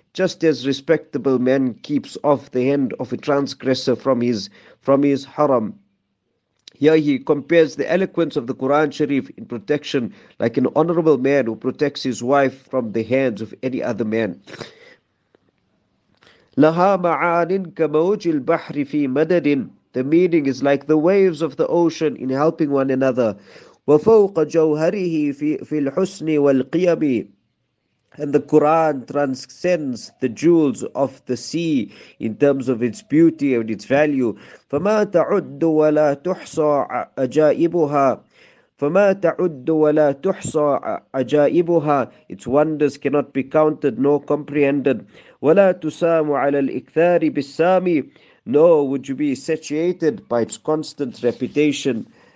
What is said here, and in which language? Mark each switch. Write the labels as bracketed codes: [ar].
[en] Just as respectable man keeps off the hand of a transgressor from his haram. Here he compares the eloquence of the Quran Sharif in protection like an honorable man who protects his wife from the hands of any other man. [ar] لها معان كموج البحر في مدد. [en] The meaning is like the waves of the ocean in helping one another. [ar] وفوق جوهره في الحسن والقيم. [en] And the Quran transcends the jewels of the sea in terms of its beauty and its value. [ar] فَمَا تَعُدُّ وَلَا تُحْصَى عَجَائِبُهَا فَمَا تَعُدُّ وَلَا تُحْصَى عَجَائِبُهَا [en] Its wonders cannot be counted nor comprehended. [ar] وَلَا تُسَامُ عَلَى الْإِكْثَارِ بِالسَّامِ [en] Nor would you be satiated by its constant recitation.